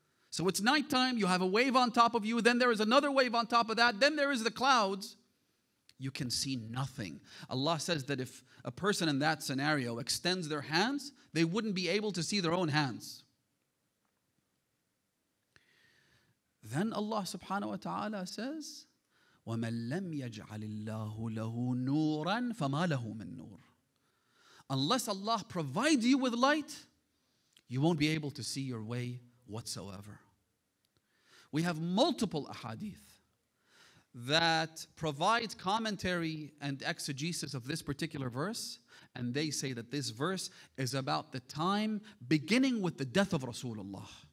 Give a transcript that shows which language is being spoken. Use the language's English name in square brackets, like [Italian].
[English] So it's nighttime, you have a wave on top of you, then there is another wave on top of that, then there is the clouds. You can see nothing. Allah says that if a person in that scenario extends their hands, they wouldn't be able to see their own hands. Then Allah subhanahu wa ta'ala says, [Arabic] وَمَنْ لَمْ يَجْعَلِ اللَّهُ لَهُ نُورًا فَمَا لَهُ مِنْ نُورٍ. [English] Unless Allah provides you with light, you won't be able to see your way whatsoever. We have multiple ahadith that provide commentary and exegesis of this particular verse, and they say that this verse is about the time beginning with the death of Rasulullah.